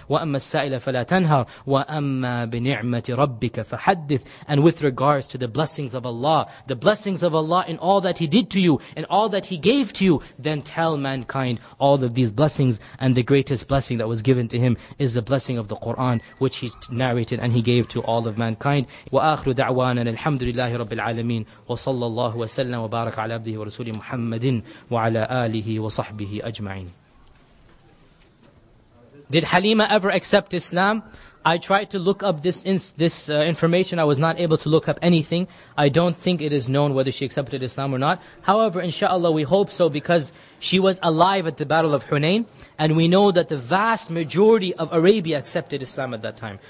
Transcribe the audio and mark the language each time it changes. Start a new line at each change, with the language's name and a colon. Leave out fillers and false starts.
Arabic: وَأَمَّا السَّائِلَ فَلَا تَنْهَرْ. وَأَمَّا بِنِعْمَةِ رَبِّكَ فَحَدِّثْ.
English: And with regards to the blessings of Allah in all that He did to you, and all that He gave to you, then tell mankind all of these blessings. And the greatest blessing that was given to him is the blessing of the Qur'an, which he narrated and he gave to all of mankind.
Arabic: وآخر دعوانا الحمد لله رب العالمين وصلى الله وسلم وبارك على عبده ورسوله محمد وعلى آله وصحبه أجمعين.
English: Did Halima ever accept Islam? I tried to look up this information. I was not able to look up anything. I don't think it is known whether she accepted Islam or not. However, inshallah, we hope so, because she was alive at the Battle of Hunain, and we know that the vast majority of Arabia accepted Islam at that time.